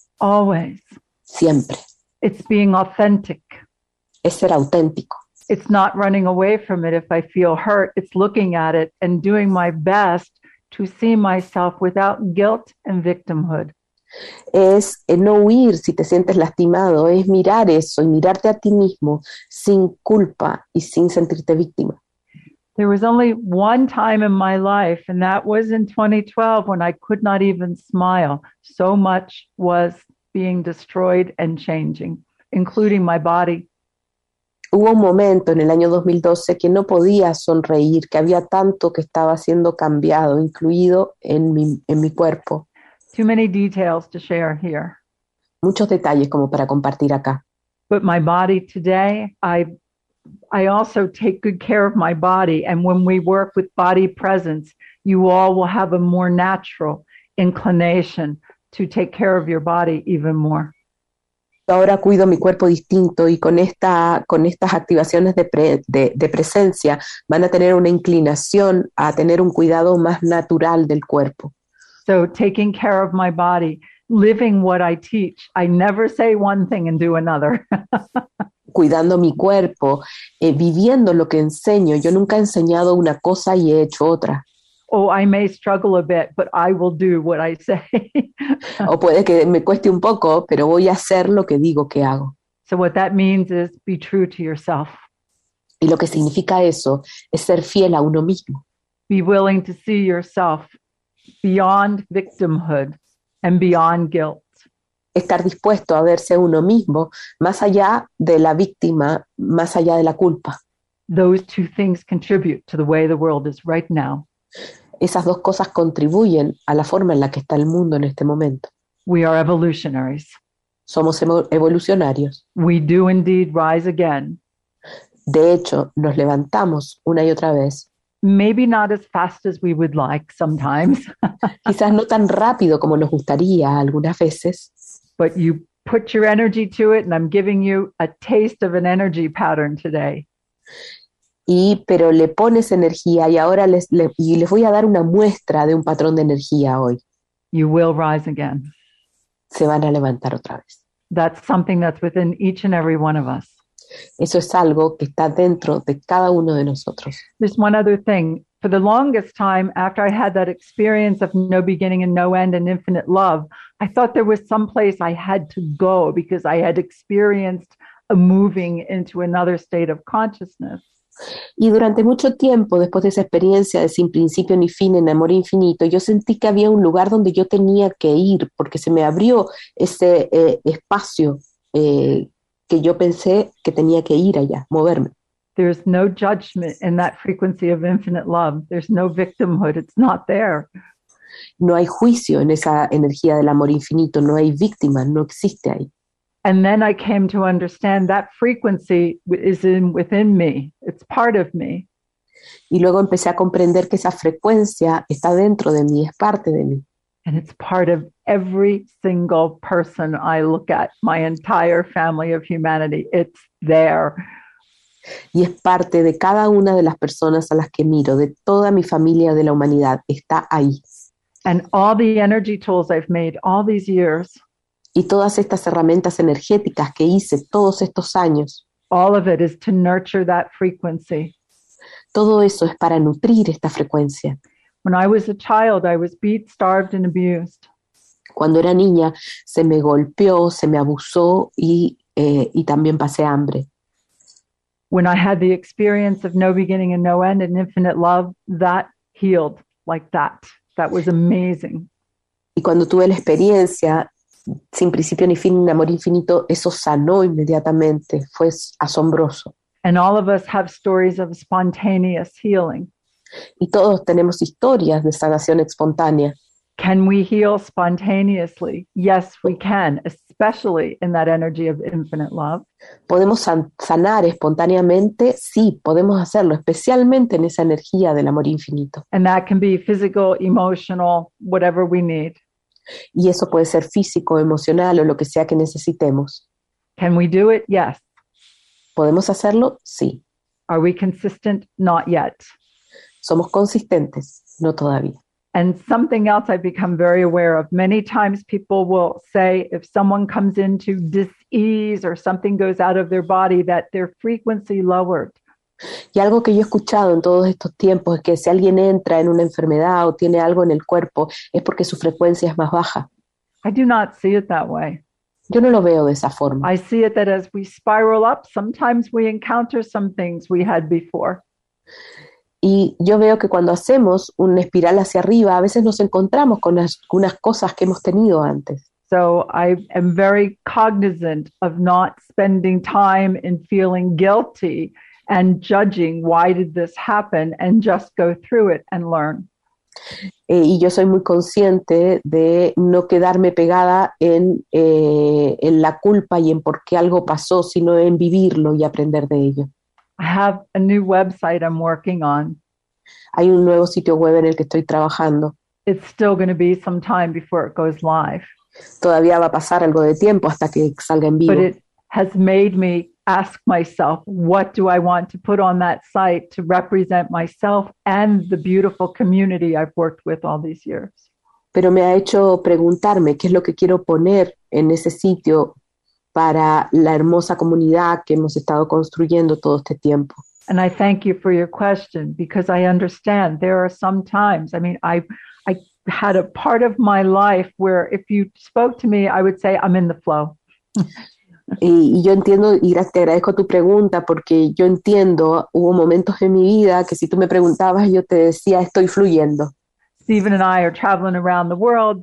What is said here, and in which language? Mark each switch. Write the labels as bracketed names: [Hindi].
[English] Always. [Spanish] Siempre. [English] It's being authentic. [Spanish] Es ser auténtico. [English] It's not running away from it if I feel hurt. It's looking at it and doing my best to see myself without guilt and victimhood. [Spanish] Es no huir si te sientes lastimado. Es mirar eso y mirarte a ti mismo sin culpa y sin sentirte víctima. [English] There was only one time in my life, and that was in 2012 when I could not even smile. So much was being destroyed and changing, including my body. [Spanish] Hubo un momento en el año 2012 que no podía sonreír, que había tanto que estaba siendo cambiado, incluido en mi cuerpo. [English] Too many details to share here. [Spanish] Muchos detalles como para compartir acá. [English] But my body today, I also take good care of my body, and when we work with body presence, you all will have a more natural inclination to take care of your body even more. [Spanish] Ahora cuido mi cuerpo distinto y con estas activaciones de presencia van a tener una inclinación a tener un cuidado más natural del cuerpo. [English] So taking care of my body, living what I teach, I never say one thing and do another. [Spanish] Cuidando mi cuerpo, viviendo lo que enseño, yo nunca he enseñado una cosa y he hecho otra. [English] Oh, I may struggle a bit, but I will do what I say. [Spanish] O puede que me cueste un poco, pero voy a hacer lo que digo que hago. [English] So what that means is be true to yourself. [Spanish] Y lo que significa eso es ser fiel a uno mismo. [English] Be willing to see yourself beyond victimhood and beyond guilt. [Spanish] Estar dispuesto a verse uno mismo más allá de la víctima, más allá de la culpa. [English] Those two things contribute to the way the world is right now. [Spanish] Esas dos cosas contribuyen a la forma en la que está el mundo en este momento. [English] We are evolutionaries. [Spanish] Somos evolucionarios. [English] We do indeed rise again. [Spanish] De hecho, nos levantamos una y otra vez. [English] Maybe not as fast as we would like sometimes. [Spanish] Quizás no tan rápido como nos gustaría algunas veces. [English] But you put your energy to it, and I'm giving you a taste of an energy pattern today. [Spanish] Pero le pones energía y ahora les voy a dar una muestra de un patrón de energía hoy. [English] You will rise again. [Spanish] Se van a levantar otra vez. [English] That's something that's within each and every one of us. [Spanish] Eso es algo que está dentro de cada uno de nosotros. [English] There's one other thing. For the longest time, after I had that experience of no beginning and no end and infinite love, I thought there was some place I had to go because I had experienced a moving into another state of consciousness. [Spanish] Y durante mucho tiempo, después de esa experiencia de sin principio ni fin en amor infinito, yo sentí que había un lugar donde yo tenía que ir, porque se me abrió ese espacio que yo pensé que tenía que ir allá, moverme. [English] There's no judgment in that frequency of infinite love. There's no victimhood. It's not there. [Spanish] No hay juicio en esa energía del amor infinito. No hay víctima. No existe ahí. [English] And then I came to understand that frequency is within me. It's part of me. [Spanish] Y luego empecé a comprender que esa frecuencia está dentro de mí, es parte de mí. [English] And it's part of every single person I look at, my entire family of humanity. It's there. [Spanish] Y es parte de cada una de las personas a las que miro, de toda mi familia de la humanidad, está ahí. [English] And all the energy tools I've made all these years. [Spanish] Y todas estas herramientas energéticas que hice todos estos años. [English] All of it is to nurture that frequency. [Spanish] Todo eso es para nutrir esta frecuencia. [English] When I was a child, I was beat, starved, and abused. [Spanish] Cuando era niña, se me golpeó, se me abusó y también pasé hambre. [English] When I had the experience of no beginning and no end and infinite love, that healed like that. That was amazing. [Spanish] Y cuando tuve la experiencia sin principio ni fin, en amor infinito, eso sanó inmediatamente. Fue asombroso. [English] And all of us have stories of spontaneous healing. [Spanish] Y todos tenemos historias de sanación espontánea. [English] Can we heal spontaneously? Yes, we can, especially in that energy of infinite love. [Spanish] ¿Podemos sanar espontáneamente? Sí, podemos hacerlo, especialmente en esa energía del amor infinito. [English] And that can be physical, emotional, whatever we need. [Spanish] Y eso puede ser físico, emocional o lo que sea que necesitemos. [English] Can we do it? Yes. [Spanish] ¿Podemos hacerlo? Sí. [English] Are we consistent? Not yet. [Spanish] ¿Somos consistentes? No todavía. [English] And something else I've become very aware of. Many times people will say if someone comes into dis-ease or something goes out of their body, that their frequency lowered. [Spanish] Y algo que yo he escuchado en todos estos tiempos es que si alguien entra en una enfermedad o tiene algo en el cuerpo, es porque su frecuencia es más baja. [English] I do not see it that way. [Spanish] Yo no lo veo de esa forma. [English] I see it that as we spiral up, sometimes we encounter some things we had before. [Spanish] Y yo veo que cuando hacemos una espiral hacia arriba, a veces nos encontramos con algunas cosas que hemos tenido antes. [English] So I am very cognizant of not spending time in feeling guilty and judging why did this happen and just go through it and learn. [Spanish] Y yo soy muy consciente de no quedarme pegada en la culpa y en por qué algo pasó, sino en vivirlo y aprender de ello. [English] I have a new website I'm working on. [Spanish] Hay un nuevo sitio web en el que estoy trabajando. [English] It's still going to be some time before it goes live. [Spanish] Todavía va a pasar algo de tiempo hasta que salga en vivo. [English] But it has made me ask myself, what do I want to put on that site to represent myself and the beautiful community I've worked with all these years? [Spanish] Pero me ha hecho preguntarme qué es lo que quiero poner en ese sitio para la hermosa comunidad que hemos estado construyendo todo este tiempo. [English] And I thank you for your question, because I understand there are some times, I mean, I had a part of my life where if you spoke to me, I would say, I'm in the flow. [Spanish] Y yo entiendo, y te agradezco tu pregunta, porque yo entiendo, hubo momentos en mi vida que si tú me preguntabas, yo te decía, estoy fluyendo. [English] Stephen and I are traveling around the world.